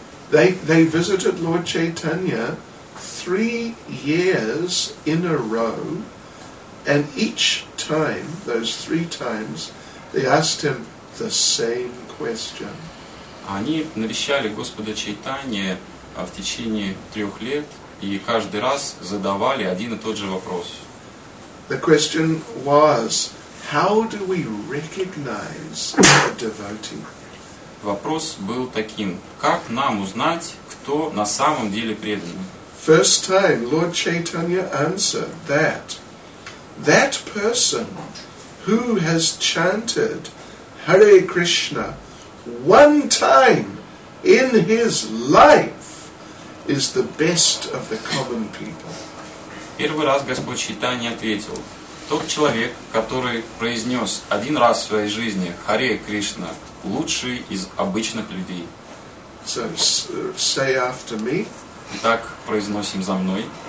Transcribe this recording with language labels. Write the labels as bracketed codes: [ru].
[en] They visited Lord Chaitanya 3 years in a row, and each time, those 3 times, they asked him the same question. [ru] Они навещали Господа Чайтанья в течение 3 лет, и каждый раз задавали один и тот же вопрос. [en] The question was, how do we recognize a devotee? [ru] Вопрос был таким: как нам узнать, кто на самом деле преданный? [en] First time Lord Chaitanya answered that person who has chanted Hare Krishna one time in his life is the best of the common people. [ru] Первый раз Господь Чайтанья ответил: тот человек, который произнес один раз в своей жизни Харе Кришна, лучший из обычных людей. [en] So, say after me. [ru] Итак, произносим за мной.